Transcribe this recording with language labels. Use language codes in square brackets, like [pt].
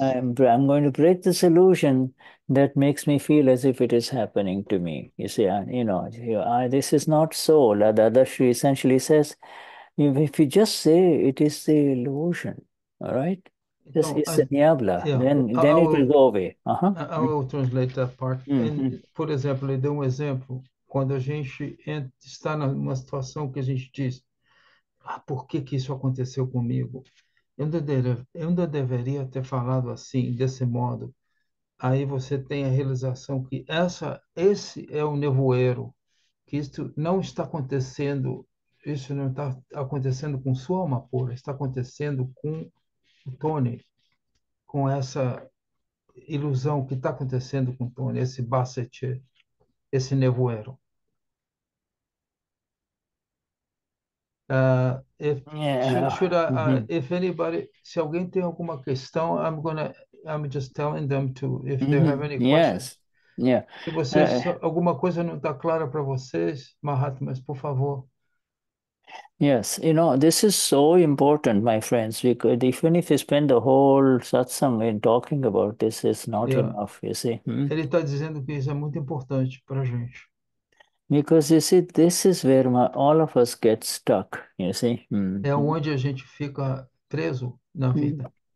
[en] I'm going to break this illusion that makes me feel as if it is happening to me. You see, this is not so. The other Shri essentially says, if you just say it is the illusion, all right? This [pt] Então, [en] is the niabla, then it will go away. I will translate that part. [pt] Por exemplo, ele deu um exemplo. Quando a gente está numa situação que a gente diz, ah, por que que isso aconteceu comigo? Eu não deveria ter falado assim, desse modo. Aí você tem a realização que esse é o nevoeiro, que isso não está acontecendo, isso não está acontecendo com sua alma pura, está acontecendo com o Tony, com essa ilusão que está acontecendo com o Tony, esse basset, esse nevoeiro. [en] Should I, if anybody, [pt] se alguém tem alguma questão, [en] I'm just telling them to, if they have any questions. [pt] Se vocês, alguma coisa não está clara para vocês, Mahatmas, por favor. [en] Yes, this is so important, my friends, because even if you spend the whole satsang in talking about this, it's not enough, you see. [pt] Ele está dizendo que isso é muito importante para a gente. [en] Because you see, this is where all of us get stuck, you see. [pt] É onde a gente fica preso na vida.